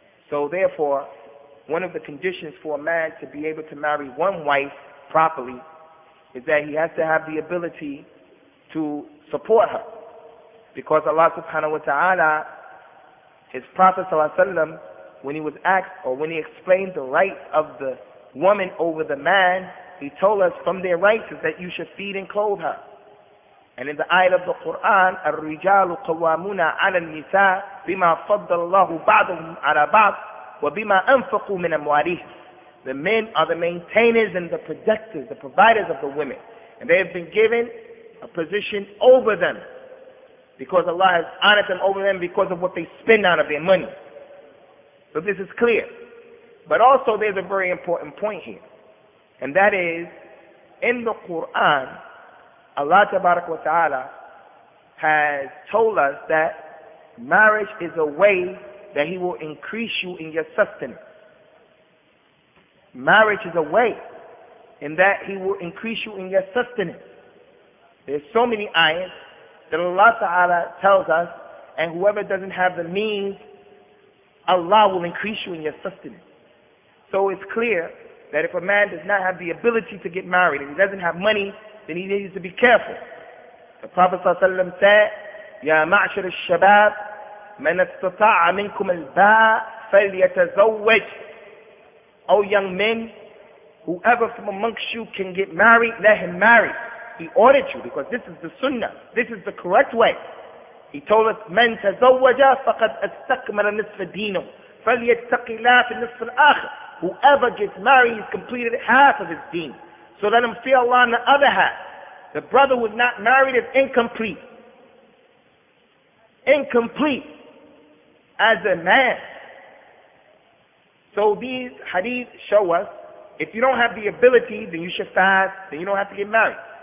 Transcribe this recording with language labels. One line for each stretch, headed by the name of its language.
English: So therefore, one of the conditions for a man to be able to marry one wife properly is that he has to have the ability to support her. Because Allah subhanahu wa ta'ala, His Prophet sallallahu alaihi wasallam, when he was asked, or when he explained the rights of the woman over the man, he told us from their rights is that you should feed and clothe her. And in the ayat of the Quran,
Arabic: الرِّجَالُ قَوَّامُونَ عَلَى النِّسَاءِ بِمَا فَضَّلَ اللَّهُ بَعْضُهُمْ عَلَى بَعْضٍ وَبِمَا أَنفَقُوا مِنَ أَمْوَالِهِمْ.
English: The men are the maintainers and the protectors, the providers of the women. And they have been given a position over them because Allah has honored them over them because of what they spend out of their money. So this is clear. But also there's a very important point here. And that is, in the Quran, Allah tabarak wa ta'ala has told us that marriage is a way that He will increase you in your sustenance. Marriage is a way in that He will increase you in your sustenance. There's so many ayahs that Allah Ta'ala tells us, and whoever doesn't have the means, Allah will increase you in your sustenance. So it's clear that if a man does not have the ability to get married, if he doesn't have money, then he needs to be careful. The Prophet Sallallahu Alaihi Wasallam said,
Arabic: يَا مَعْشَرَ الشَّبَابِ مَنَ اسْتَطَاعَ مِنْكُمَ الْبَاءَ فَلْيَتَزَوَّجْ.
English: O young men, whoever from amongst you can get married, let him marry. He ordered you, because this is the sunnah. This is the correct way. He told us,
Arabic: من تزوج فقد استكمل نصف دينه فليتق الله في النصف الآخر.
English: Whoever gets married, he's completed half of his deen. So let him fear Allah on the other half. The brother who's not married is incomplete. Incomplete as a man. So these hadith show us, if you don't have the ability, then you should fast, then you don't have to get married.